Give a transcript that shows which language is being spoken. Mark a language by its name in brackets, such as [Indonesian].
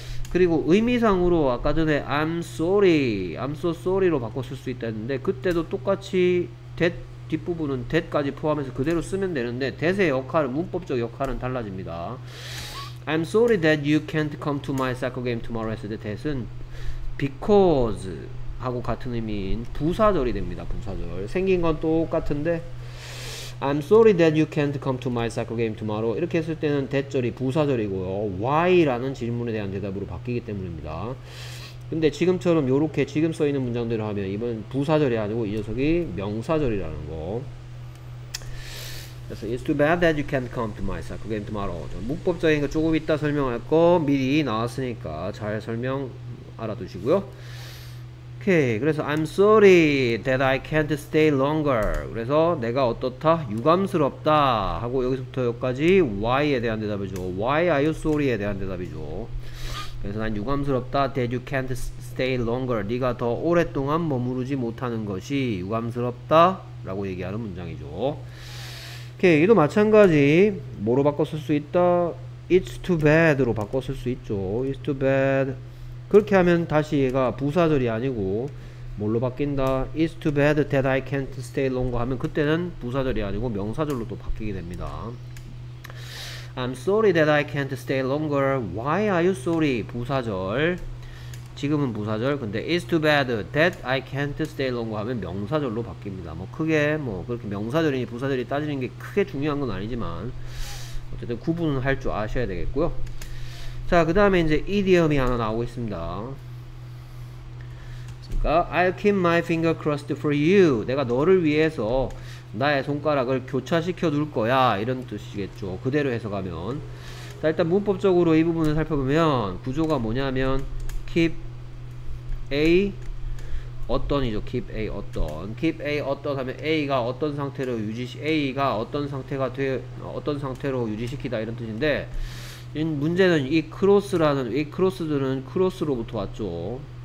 [Korean] 그리고 의미상으로 아까 전에 I'm sorry, I'm so sorry 로 바꿔 쓸 수 있다는데 그때도 똑같이 that 뒷부분은 that까지 포함해서 그대로 쓰면 되는데 that의 역할은 문법적 역할은 달라집니다. [English] I'm sorry that you can't come to my soccer game tomorrow 했을 때 that은 because 하고 같은 의미인 부사절이 됩니다. [Korean] 부사절 생긴 건 똑같은데. [English] I'm sorry that you can't come to my soccer game tomorrow. [Korean] 이렇게 했을 때는 대절이 부사절이고요. Why라는 질문에 대한 대답으로 바뀌기 때문입니다. 근데 지금처럼 요렇게 지금 써있는 문장들을 하면 이번 부사절이 아니고 이 녀석이 명사절이라는 거. [English] 그래서 It's too bad that you can't come to my soccer game tomorrow. [Korean] 저 문법적인 거 조금 이따 설명할 거 미리 나왔으니까 잘 설명 알아두시고요. 오케이. [English] 그래서 I'm sorry that I can't stay longer. [Korean] 그래서 내가 어떻다? 유감스럽다 하고 여기서부터 여기까지 why에 대한 대답이죠. [English] Why are you sorry 에 대한 대답이죠. 그래서 난 유감스럽다 that you can't stay longer. [Korean] 네가 더 오랫동안 머무르지 못하는 것이 유감스럽다 라고 얘기하는 문장이죠. 오케이. 이도 마찬가지 뭐로 바꿔 쓸 수 있다? [English] It's too bad 로 바꿔 쓸 수 있죠. It's too bad. [Korean] 그렇게 하면 다시 얘가 부사절이 아니고 뭘로 바뀐다? It's too bad that I can't stay longer 하면 그때는 부사절이 아니고 명사절로 또 바뀌게 됩니다. [English] I'm sorry that I can't stay longer. Why are you sorry? 부사절. 지금은 부사절. 근데 It's too bad that I can't stay longer 하면 명사절로 바뀝니다. [Korean] 뭐 크게 뭐 그렇게 명사절이니 부사절이 따지는 게 크게 중요한 건 아니지만 어쨌든 구분을 할 줄 아셔야 되겠고요. 자, 그 다음에 이제 이디엄이 하나 나오고 있습니다. [English] 그러니까 I'll keep my finger crossed for you. [Korean] 내가 너를 위해서 나의 손가락을 교차시켜 둘 거야. 이런 뜻이겠죠. 그대로 해석하면. 자, 일단 문법적으로 이 부분을 살펴보면 구조가 뭐냐면 keep a 어떤이죠. keep a 어떤. keep a 어떤 하면 a가 어떤 상태로 유지시 a가 어떤 상태가 돼 어떤 상태로 유지시키다 이런 뜻인데 문제는 이 크로스라는 이 크로스들은 크로스로부터 왔죠.